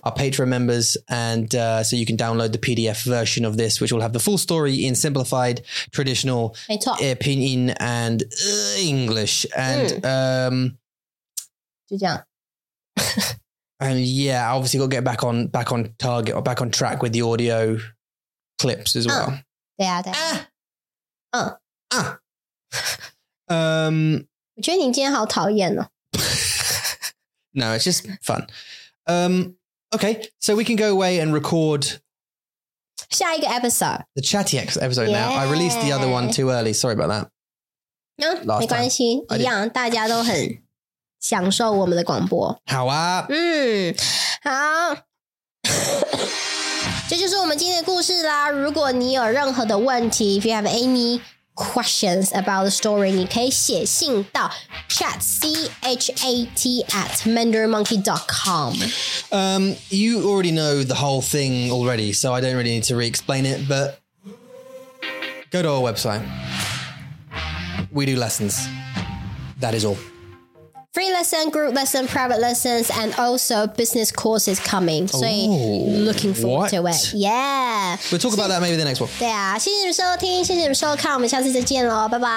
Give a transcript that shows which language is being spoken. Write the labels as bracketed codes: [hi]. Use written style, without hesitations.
[en] our Patreon members, and、so you can download the PDF version of this, which will have the full story in simplified traditional pinyin and English, and、 [zh] 嗯、就这样。 [en] And yeah, obviously we'll get back on target or back on track with the audio clips as well.、 [zh] 嗯对啊对啊，嗯啊，我觉得你今天好讨厌哦。 [en] No, it's just fun. Okay, so we can go away and record [zh] 下一个 episode, [en] the chatty episode. Now、yeah. I released the other one too early. Sorry about that. [zh] No,、没关系，一样，大家都很享受我们的广播。好啊，嗯，好。这就是我们今天的故事啦。如果你有任何的问题 ， [en] if you have any questions about the story， [zh] 你可以写信到 chat@mandarinmonkey.com。 [en] You already know the whole thing already, so I don't really need to re-explain it. But go to our website. We do lessons. That is all. Free lesson, group lesson, private lessons, and also business courses coming. So, looking forward to it. Yeah. We'll talk about that maybe the next one. [zh] 对啊，谢谢你们收听，谢谢你们收看，我们下次再见咯，拜拜。